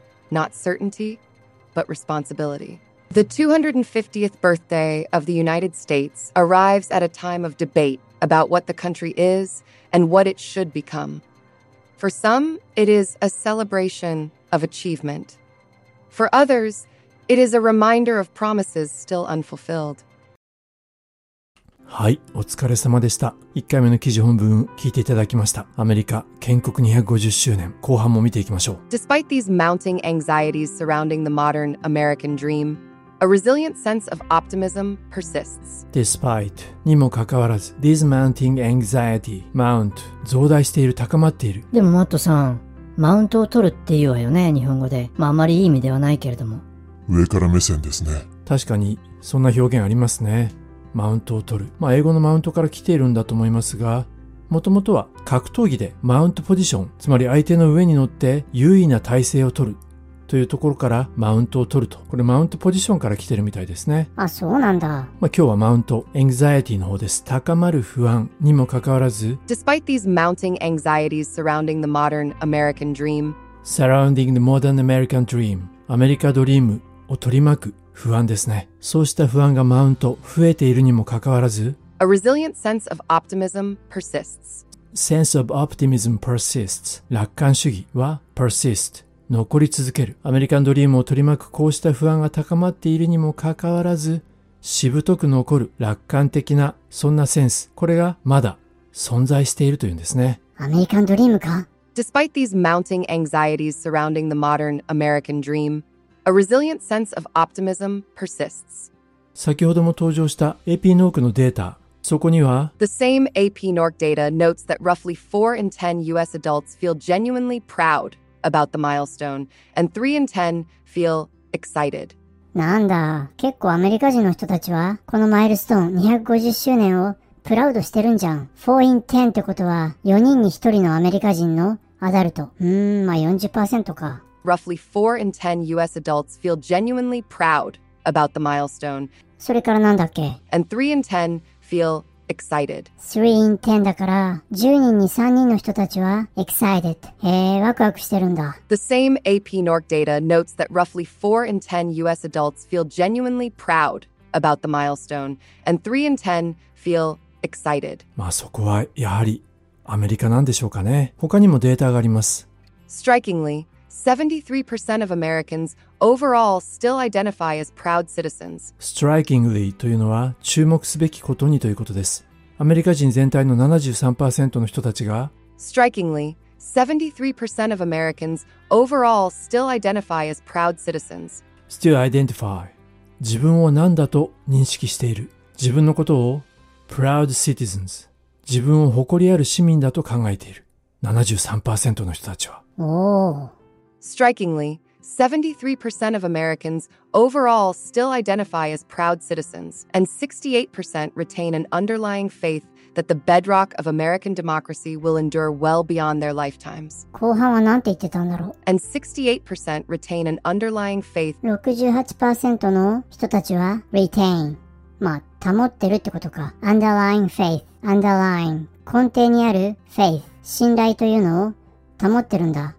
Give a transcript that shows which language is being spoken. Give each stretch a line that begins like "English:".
English: Not certainty, but responsibility. The 250th birthday of the United States arrives at a time of debate about what the country is and what it should become. For some, it is a celebration of achievement. For others, it is a reminder of promises still unfulfilled.
Japanese: はい、お疲れ様でした。 1回目の記事本文聞いていただきました。アメリカ建国250周年、後半も見ていきましょう。
English: Despite these mounting anxieties surrounding the modern American dream, a resilient sense of optimism persists. Despite
Japanese: にもかかわらず、
English: these mounting anxiety, mount,
Japanese: 増大している、高まっている。でもマットさん、マウントを取るっていうわよね、日本語で。まああまりいい意味ではないけれども。上から目線ですね。確かに、そんな表現ありますね。マウントを取る、まあ、英語のマウントから来ているんだと思いますが、もともとは格闘技でマウントポジション、つまり相手の上に乗って優位な体勢を取るというところからマウントを取ると、これマウントポジションから来ているみたいですね。あ、そうなんだ。まあ、今日はマウント、エンザイエティの方です。高まる不安にもかかわらず、
English: Despite these mounting anxieties surrounding the modern American dream, surrounding the modern American dream,
Japanese: アメリカドリームを取り巻く不安ですね。そうした不安がマウント増えているにもかかわらず、
English: A resilient sense of optimism persists. Sense of optimism persists.
Japanese: 楽観主義は
English: persist
Japanese: 残り続ける。アメリカンドリームを取り巻くこうした不安が高まっているにもかかわらず、しぶとく残る楽観的な、そんなセンス、これがまだ存在しているというんですね。アメリカンドリームか。
English: Despite these mounting anxieties surrounding the modern American dreamA resilient sense of optimism persists.
Japanese: 先ほども登場した AP NORC のデータ、そこには
English: The same AP NORC data notes that roughly 4 in 10 US adults feel genuinely proud about the milestone, and 3 in 10 feel excited.
Japanese: なんだ、結構アメリカ人の人たちはこのマイルストーン250周年をプラウドしてるんじゃん。
English: 4 in 10
Japanese: ってことは4人に1人のアメリカ人のアダルト。まあ 40% か。
English: Roughly 4 in 10 US adults feel genuinely proud about the milestone.
Japanese: それからなんだっけ?
English: And 3 in 10 feel excited. 3 in 10
Japanese: だから10人に3人の人たちは
English: excited。
Japanese: へえ、ワクワクしてるんだ。
English: The same AP NORC data notes that roughly 4 in 10 US adults feel genuinely proud about the milestone, and 3 in 10 feel excited.
Japanese: まあそこはやはりアメリカなんでしょうかね。他にもデータがあります。
English: Strikingly, 73% of Americans overall still identify as proud citizens. Strikingly
Japanese: というのは注目すべきことにということです。アメリカ人全体の 73% の人たちが
English: Strikingly, 73% of Americans overall still identify as proud citizens. Still identify.
Japanese: 自分を何だと認識している。自分のことを
English: proud citizens。
Japanese: 自分を誇りある市民だと考えている。 73% の人たちは。
English: Strikingly, 73% of Americans overall still identify as proud citizens, and 68% retain an underlying faith that the bedrock of American democracy will endure well beyond their lifetimes.
Japanese: 後半は何て言ってたんだろう?
English: And 68% retain an underlying faith.
Japanese: 68% の人たちは
English: retain.
Japanese: まあ、保ってるってことか。
English: Underlying faith. Underlying.
Japanese: 根底にある
English: faith.
Japanese: 信頼というのを保ってるんだ。